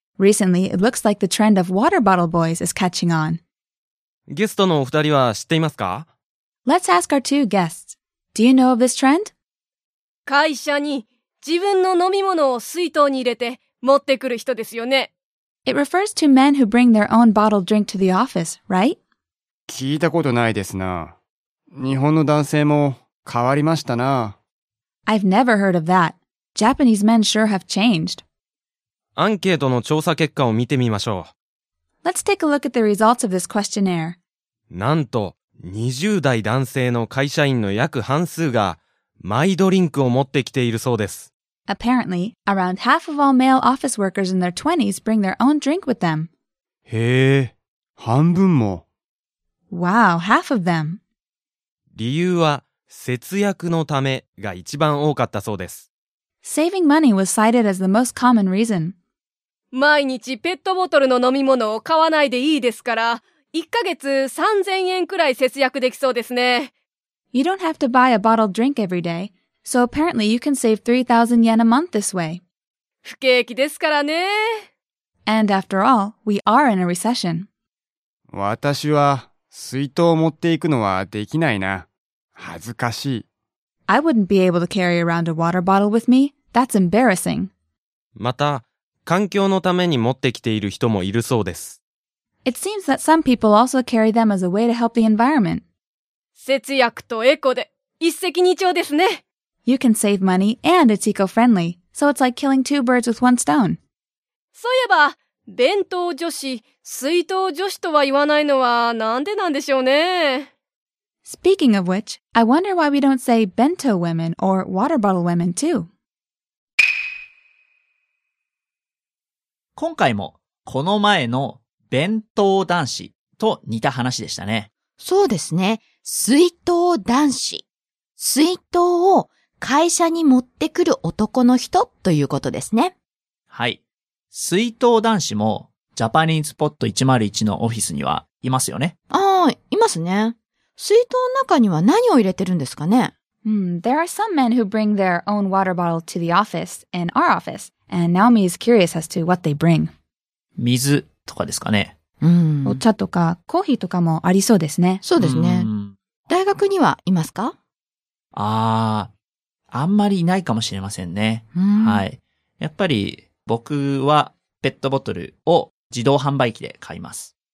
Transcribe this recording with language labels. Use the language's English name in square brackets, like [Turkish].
[English] Recently, it looks like the trend of water bottle boys is catching on. [Japanese] ゲストのお二人は知っていますか? [English] Let's ask our two guests. Do you know of this trend? [Japanese] 会社に自分の飲み物を水筒に入れて持ってくる人ですよね。 [English] It refers to men who bring their own bottled drink to the office, right? [Japanese] 聞いたことないですな。日本の男性も変わりましたな。 [English] I've never heard of that. Japanese men sure have changed. [Japanese] アンケートの調査結果を見てみましょう。 [English] Let's take a look at the results of this questionnaire. [Japanese] なんと、20代男性の会社員の約半数がマイドリンクを持ってきているそうです。 [English] Apparently, around half of all male office workers in their 20s bring their own drink with them. [Japanese] へえ、半分も。 [English] Wow, half of them. [Japanese] 理由は節約のためが一番多かったそうです。 [English] Saving money was cited as the most common reason. [Japanese] 毎日ペットボトルの飲み物を買わないでいいですから、1ヶ月3000円くらい節約できそうですね。 [English] You don't have to buy a bottled drink every day, so apparently you can save 3,000 yen a month this way. [Japanese] 不景気ですからね。 [English] And after all, we are in a recession. [Japanese] 私は水筒を持っていくのはできないな。恥ずかしい。 [English] I wouldn't be able to carry around a water bottle with me. That's embarrassing. [Japanese] また、環境のために持ってきている人もいるそうです。 [English] It seems that some people also carry them as a way to help the environment. [Japanese] 節約とエコで一石二鳥ですね。 [English] You can save money and it's eco-friendly, so it's like killing two birds with one stone. [Japanese] そういえば、弁当女子、水筒女子とは言わないのはなんでなんでしょうね。 [English] Speaking of which, I wonder why we don't say bento women or water bottle women too. [Japanese] 今回もこの前の弁当男子と似た話でしたね。そうですね。水筒男子。水筒を会社に持ってくる男の人ということですね。はい。水筒男子もジャパニーズポット101のオフィスにはいますよね。ああ、いますね。水筒の中には何を入れてるんですかね。 [English] There are some men who bring their own water bottle to the office in our office, and Naomi is curious as to what they bring. [Japanese] 水とかですかね。うん。お茶とかコーヒーとかもありそうですね。そうですね。大学にはいますか。ああ、あんまりいないかもしれませんね。はい。やっぱり僕はペットボトルを自動販売機で買います。